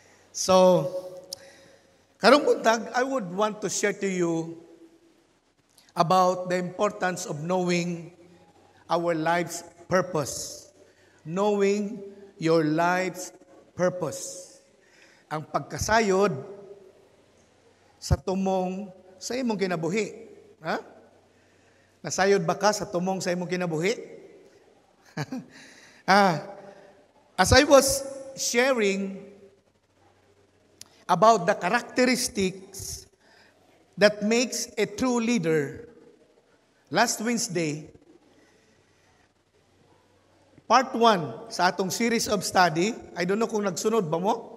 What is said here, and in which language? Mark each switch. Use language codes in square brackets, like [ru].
[en] So, [ceb] karong buntag, [en] I would want to share to you about the importance of knowing our life's purpose. Knowing your life's purpose. [ceb] Ang pagkasayod sa tumong sa imong kinabuhi. Ha? Huh? Nasayod ba ka sa tumong sa imong kinabuhi? [en] As I was sharing about the characteristics that makes a true leader last Wednesday, part 1 sa atong series of study, I don't know [ceb] kung nagsunod ba mo?